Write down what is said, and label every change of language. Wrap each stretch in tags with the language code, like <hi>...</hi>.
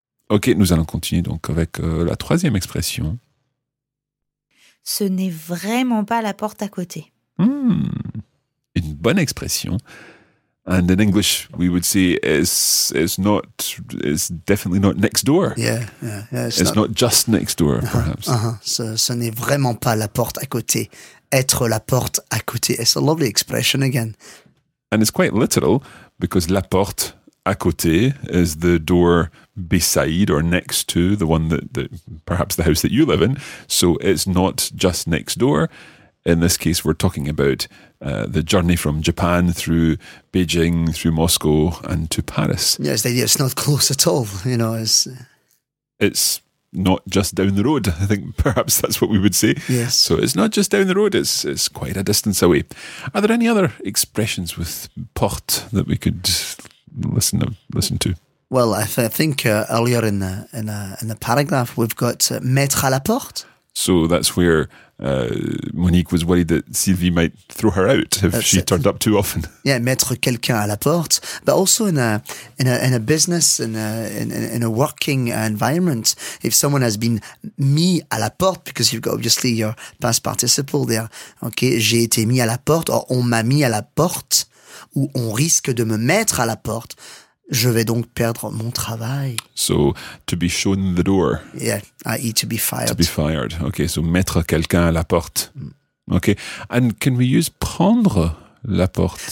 <fr>Okay, nous allons continuer donc avec la troisième expression. Ce n'est vraiment pas la porte à côté. Une bonne expression.</fr> <en>And in English, we would say it's definitely not next door. Yeah. It's not just next door, perhaps.</en> <fr>Ce n'est vraiment pas la porte à côté. Être la porte à côté.</fr> <en>It's a lovely expression again. And it's quite literal, because la porte à côté is the door beside or next to the one that perhaps the house that you live in. So it's not just next door. In this case, we're talking about the journey from Japan through Beijing, through Moscow and to Paris. Yes, it's not close at all. You know, it's not just down the road. I think perhaps that's what we would say. Yes. So it's not just down the road. It's quite a distance away. Are there any other expressions with porte that we could listen to? Well, I think earlier in the paragraph we've got mettre à la porte. So that's where Monique was worried that Sylvie might throw her out if she turned up too often. Yeah, mettre quelqu'un à la porte, but also in a business and in a working environment, if someone has been mis à la porte, because you've got obviously your past participle there.</en> <fr>Okay, j'ai été mis à la porte, or on m'a mis à la porte, ou on risque de me mettre à la porte. Je vais donc perdre mon travail.</fr> <en>So, to be shown the door. Yeah, i.e. to be fired. To be fired. Okay, so mettre quelqu'un à la porte. Okay, and can we use prendre la porte?</en>